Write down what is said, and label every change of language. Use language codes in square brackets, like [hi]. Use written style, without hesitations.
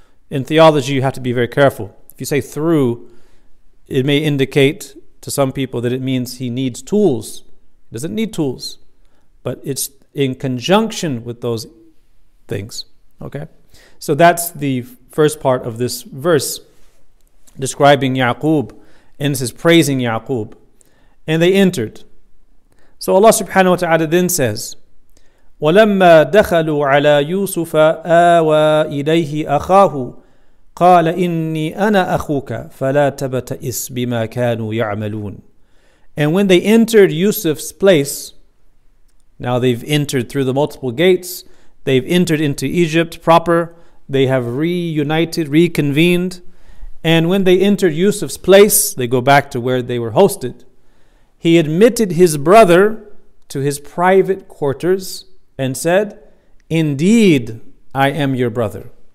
[en] In theology, you have to be very careful. If you say through, it may indicate to some people that it means he needs tools. He doesn't need tools, but it's in conjunction with those things. Okay, so that's the first part of this verse describing Ya'qub, and it says praising Ya'qub. And they entered. So Allah subhanahu wa ta'ala then says, [ar] وَلَمَّا دَخَلُوا عَلَىٰ يُوسُفَ آوَى إِلَيْهِ أَخَاهُ قَالَ إِنِّي أَنَا أَخُوكَ فَلَا تَبَتَئِسْ بِمَا كَانُوا يَعْمَلُونَ. [en] And when they entered Yusuf's place, now they've entered through the multiple gates, they've entered into Egypt proper, they have reunited, reconvened, and when they entered Yusuf's place, they go back to where they were hosted, he admitted his brother to his private quarters and said, indeed, I am your brother.